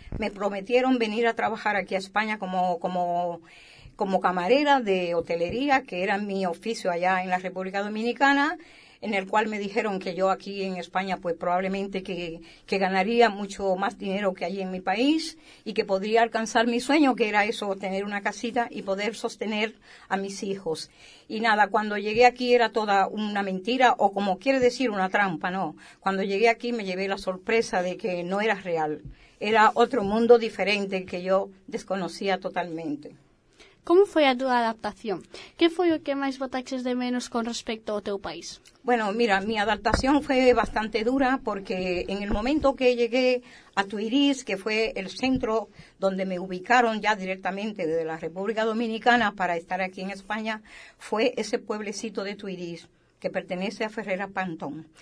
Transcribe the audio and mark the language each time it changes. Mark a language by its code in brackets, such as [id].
[es] Me prometieron venir a trabajar aquí a España como camarera de hotelería, que era mi oficio allá en la República Dominicana, en el cual me dijeron que yo aquí en España pues probablemente que ganaría mucho más dinero que allí en mi país y que podría alcanzar mi sueño, que era eso, tener una casita y poder sostener a mis hijos. Y nada, cuando llegué aquí era toda una mentira, o como quiere decir, una trampa, ¿no? Cuando llegué aquí me llevé la sorpresa de que no era real. Era otro mundo diferente que yo desconocía totalmente. [gl] Como foi a túa adaptación? Que foi o que máis botaxes de menos con respecto ao teu país? [es] Bueno, mira, mi adaptación fue bastante dura porque en el momento que llegué a Tuiris, que fue el centro donde me ubicaron ya directamente desde la República Dominicana para estar aquí en España, fue ese pueblecito de Tuiris que pertenece a Ferreira Pantón.